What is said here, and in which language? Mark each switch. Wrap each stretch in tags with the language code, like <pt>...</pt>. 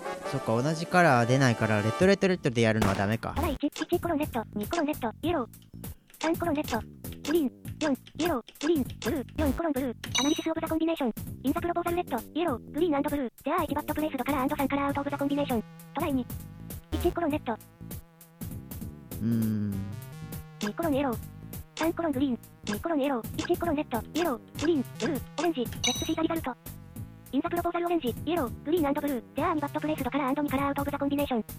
<ja>そっか、同じカラー出ないからレッドレッドレッドでやるのはダメか。</ja> <en>トライ1、1コロンレッド、2コロンレッド、イエロー。3コロンレッド、グリーン、4、イエロー、グリーン、ブルー、4コロンブルー。アナリシスオブザコンビネーション。インザプロポーザルレッド、イエロー、グリーンブルー。 There are 8 bad placed color and 3 color out of the combination. トライ2。1コロンレッド。2コロンイエロー。3コロングリーン。2コロンイエロー。 1コロンレッド、イエロー、グリーン、ブルー、オレンジ。 Let's see the result。インザプロポーザルオレンジ、イエロー、グリーンブルー。 There are 2 bad placed color and 2 color out of the combination.</en>